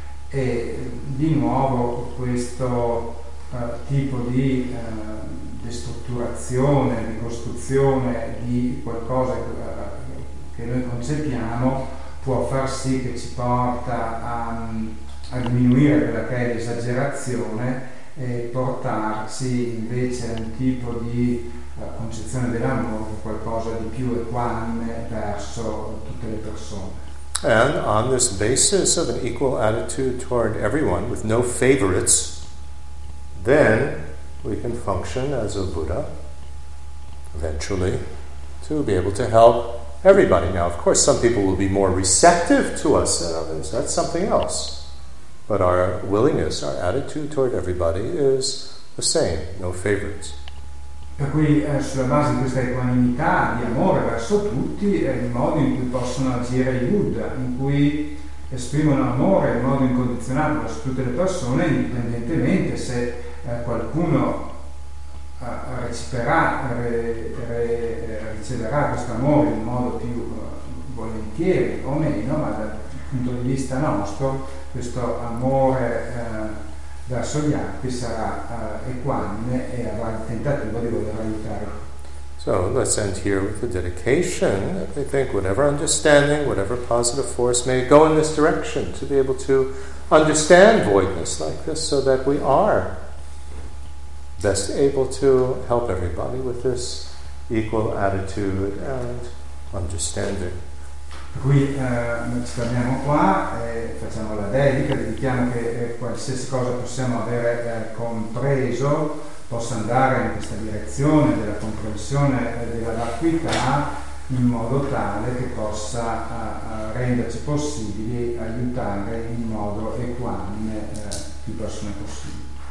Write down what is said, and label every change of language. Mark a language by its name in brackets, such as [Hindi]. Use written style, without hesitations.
[Italian] E di nuovo questo tipo di destrutturazione, ricostruzione di qualcosa che noi concepiamo può far sì che ci porta a diminuire quella che è l'esagerazione e portarsi invece a un tipo di concezione dell'amore, qualcosa di più equanime verso tutte le persone. [English] And on this basis of an equal attitude toward everyone, with no favorites, then we can function as a Buddha, eventually, to be able to help everybody. Now, of course, some people will be more receptive to us than others. That's something else. But our willingness, our attitude toward everybody is the same, no favorites. [Italian] Per cui sulla base di questa equanimità di amore verso tutti è il modo in cui possono agire i Buddha, in cui esprimono amore in modo incondizionato verso tutte le persone, indipendentemente se qualcuno riceverà questo amore in modo più volentieri o meno, ma dal punto di vista nostro questo amore verso gli altri sarà equanime e avrà il tentativo di voler aiutare. [English] So let's end here with the dedication. I think whatever understanding, whatever positive force may go in this direction to be able to understand voidness like this so that we are best able to help everybody with this equal attitude and understanding. [Italian] Qui ci fermiamo qua e facciamo la dedica, dedichiamo che qualsiasi cosa possiamo avere compreso possa andare in questa direzione della comprensione della vacuità, in modo tale che possa renderci possibili aiutare in modo equanime più persone possibili.